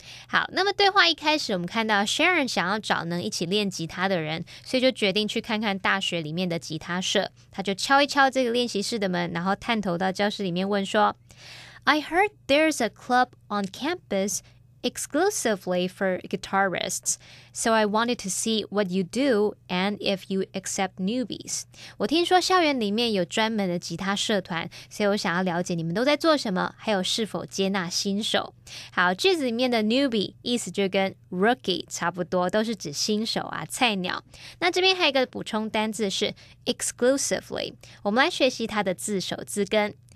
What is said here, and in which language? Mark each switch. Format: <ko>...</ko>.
<zh>好，那么对话一开始我们看到 Sharon 想要找能一起练吉他的人，所以就决定去看看大学里面的吉他社。他就敲一敲这个练习室的门，然后探头到教室里面问说，</zh> <en>"I heard there's a club on campus exclusively for guitarists, so I wanted to see what you do and if you accept newbies."</en> <zh>我听说校园里面有专门的吉他社团，所以我想要了解你们都在做什么，还有是否接纳新手。好，句子里面的 newbie 意思就跟 rookie 差不多，都是指新手啊、菜鸟。那这边还有一个补充单字是 exclusively， 我们来学习它的字首字根。</zh>